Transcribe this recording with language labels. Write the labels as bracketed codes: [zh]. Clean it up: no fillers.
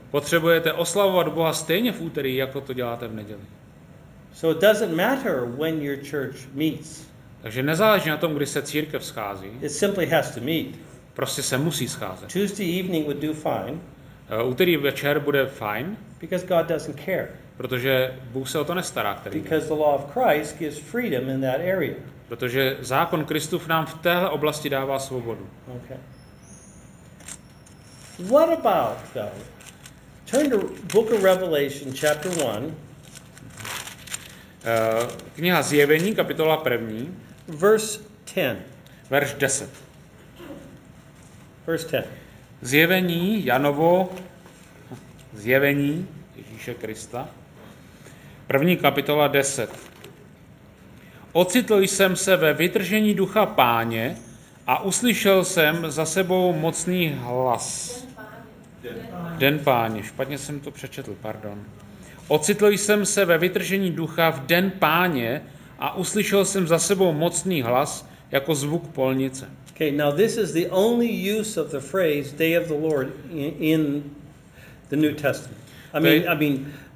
[cs] Potřebujete oslavovat Boha stejně v úterý, jako to děláte v neděli. [en] So it doesn't matter when your church meets. [cs] Takže nezáleží na tom, kdy se církev schází. [en] It simply has to meet. [cs] Prostě se musí scházet. [en] Tuesday evening would do fine. [cs] Úterý večer bude fajn. [en] Because God doesn't care. [cs] Protože Bůh se o to nestará, který. [en] Because the law of Christ gives freedom in that area. [cs] Protože zákon Kristův nám v téhle oblasti dává svobodu. [en] Okay. What about though? Turn to Book of Revelation chapter 1. [cs] Kniha Zjevení kapitola 1. [en] Verse 10. [cs] Verš 10. [en] Verse 10. [cs] Zjevení Janovo, Zjevení Ježíše Krista, první kapitola 10. Ocitl jsem se ve vytržení ducha Páně a uslyšel jsem za sebou mocný hlas. Den Páně. Špatně jsem to přečetl, pardon. Ocitl jsem se ve vytržení ducha v Den Páně a uslyšel jsem za sebou mocný hlas jako zvuk polnice. [en] Okay, now this is the only use of the phrase Day of the Lord in the New Testament.